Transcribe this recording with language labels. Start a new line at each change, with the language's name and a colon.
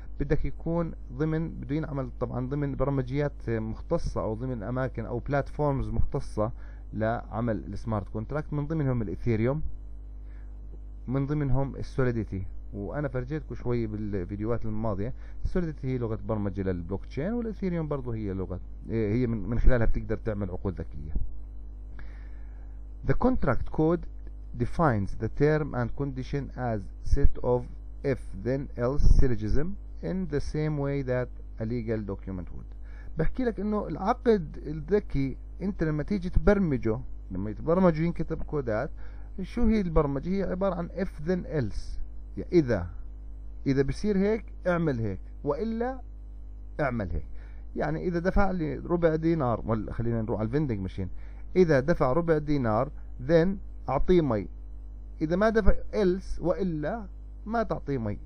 Arabic: بدك يكون ضمن، بده ينعمل طبعا ضمن برمجيات مختصة او ضمن اماكن او بلاتفورمز مختصة لعمل السمارت كونتراكت، من ضمنهم الاثيريوم، من ضمنهم السوليديتي. وانا فرجيتكم شوي بالفيديوهات الماضية، السوليديتي هي لغة برمجة للبلوك تشين، والاثيريوم برضو هي لغة، هي من خلالها بتقدر تعمل عقود ذكية.
English: The contract code defines the term and condition as set of if then else syllogism in the same way that a legal document would.
Arabic: بحكي لك انه العقد الذكي انت لما تيجي تبرمجه، لما يتبرمج وينكتب كودات، شو هي البرمجة؟ هي عبارة عن if then else، يعني اذا بصير هيك اعمل هيك، والا اعمل هيك. يعني اذا دفع لي ربع دينار، خلينا نروح على الفندنج ماشين، اذا دفع ربع دينار then اعطيه مي، اذا ما دفع else والا ما تعطيه مي.